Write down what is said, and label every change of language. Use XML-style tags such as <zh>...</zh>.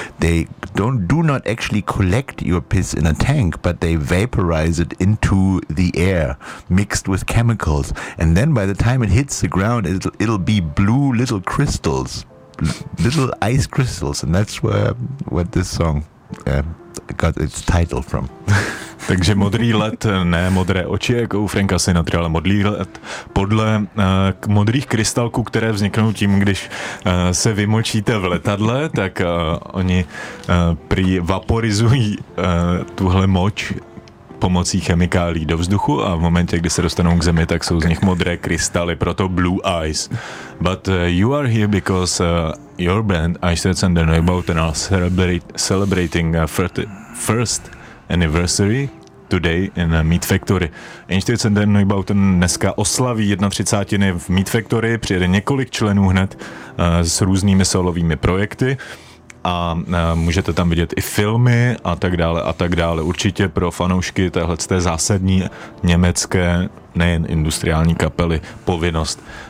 <en>They do not actually collect your piss in a tank, but they vaporize it into the air mixed with chemicals. And then by the time it hits the ground, it'll be blue little crystals. Little ice crystals, and that's what this song got its title from.</en> <cs>Takže modrý let, ne modré oči, jako u Franka Sinatry, ale modrý let podle modrých krystalků, které vzniknou tím, když se vymočíte v letadle, tak oni prý vaporizují tuhle moč pomocí chemikálí do vzduchu a v momentě, kdy se dostanou k zemi, tak jsou z nich modré krystaly, proto</cs> <en>blue eyes. But you are here because your band, Einsteinova Neubauten, are celebrating first anniversary today in Meat Factory.</en> <cs>Einsteinova Neubauten dneska oslaví 31. v Meat Factory, přijede několik členů hned s různými solovými projekty. A můžete tam vidět i filmy a tak dále a tak dále. Určitě pro fanoušky téhle té zásadní německé, nejen industriální kapely, povinnost.</cs>